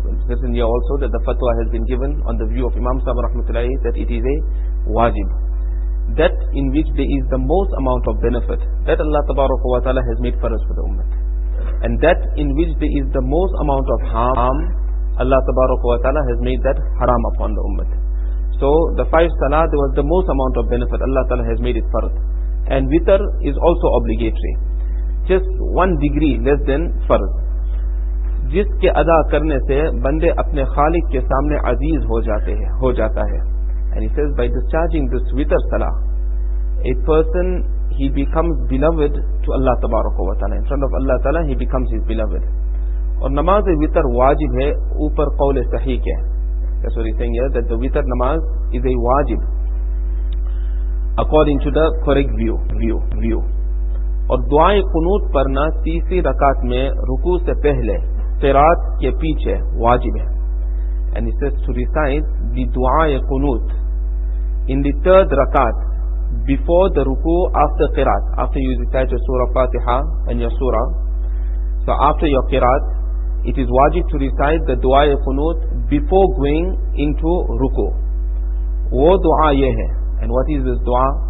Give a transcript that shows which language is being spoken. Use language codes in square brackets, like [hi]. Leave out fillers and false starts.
[en] This in here also that the fatwa has been given on the view of Imam Sahib rahmatullahi that it is a wajib, that in which there is the most amount of benefit that Allah tabarak wa ta'ala has made for us for the ummah, and that in which there is the most amount of harm, Allah tabarak wa ta'ala has made that haram upon the ummah. So the 5 salah, there was the most amount of benefit, Allah ta'ala has made it fard, and witr is also obligatory, just 1 degree less than fard. [ur] جس کے ادا کرنے سے بندے اپنے خالق کے سامنے عزیز ہو جاتا ہے. [en] And he says by discharging this witr salah, a person, he becomes beloved to Allah tabarak wa ta'ala. In front of Allah ta'ala, he becomes his beloved. [ur] اور نماز witr واجب ہے اوپر قول صحیح کے. [en] That's what he's saying here, that the witr namaz is a wajib according to the correct view. [ur] اور دعائیں قنوت پرنا تیسری رکعت میں رکوع سے پہلے قرات کے پیچھے واجب ہے. [en] And he says to recite the dua-e qunut in the 3rd rakat before the ruku, after qirat, after you recite your surah Fatiha and your surah, so after your qirat, it is wajib to recite the dua-e qunut before going into ruku. Wo dua ye hai. And what is this dua?